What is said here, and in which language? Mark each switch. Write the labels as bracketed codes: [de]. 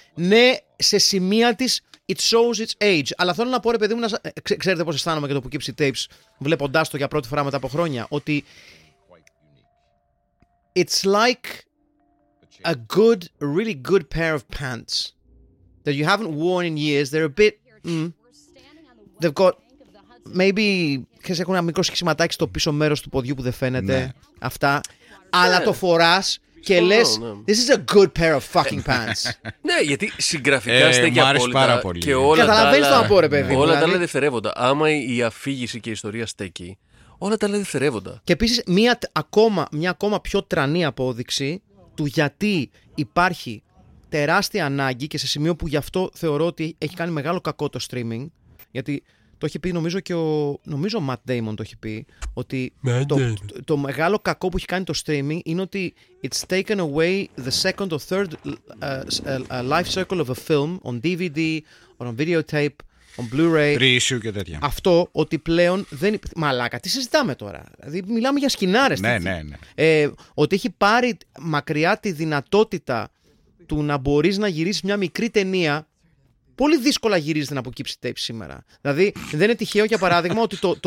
[el] Ναι, σε σημεία της [en] it shows its age. [el] Αλλά θέλω να πω, ρε παιδί μου, ξέρετε πώς αισθάνομαι για το Poughkeepsie Tapes βλέποντάς το για πρώτη φορά μετά από χρόνια, ότι [en] it's like a good, really good pair of pants that you haven't worn in years. They're a bit... they've got... [el] Maybe, ξέρεις, έχουν ένα μικρό σχηματάκι στο πίσω μέρος του ποδιού που δεν φαίνεται, ναι. Αυτά, ναι. Αλλά το φοράς και λες, ναι. [en] This is a good pair of fucking pants. [el] Ναι, γιατί συγγραφικά στέγει απόλυτα πολύ. Και όλα τα άλλα, ρε, παιδί, όλα τα άλλα διφερεύοντα. Άμα η αφήγηση και η ιστορία στέκει, όλα τα άλλα διφερεύοντα. Και επίσης μια ακόμα πιο τρανή απόδειξη του γιατί υπάρχει τεράστια ανάγκη και σε σημείο που γι' αυτό θεωρώ ότι έχει κάνει μεγάλο κακό το streaming, γιατί το έχει πει νομίζω και ο... Νομίζω ο Matt Damon το έχει πει, ότι το μεγάλο κακό που έχει κάνει το streaming είναι ότι [en] it's taken away the second or third life cycle of a film on DVD or on videotape, on Blu-ray. [el] Reissue και τέτοια. Αυτό ότι πλέον δεν... Μαλάκα, τι συζητάμε τώρα. Δηλαδή μιλάμε για σκηνάρες. Ναι, ναι, ναι. Ότι έχει πάρει μακριά τη δυνατότητα του να μπορείς να γυρίσεις μια μικρή ταινία. Πολύ δύσκολα γυρίζεται να αποκύψει tape σήμερα. Δηλαδή, δεν είναι τυχαίο, για παράδειγμα, ότι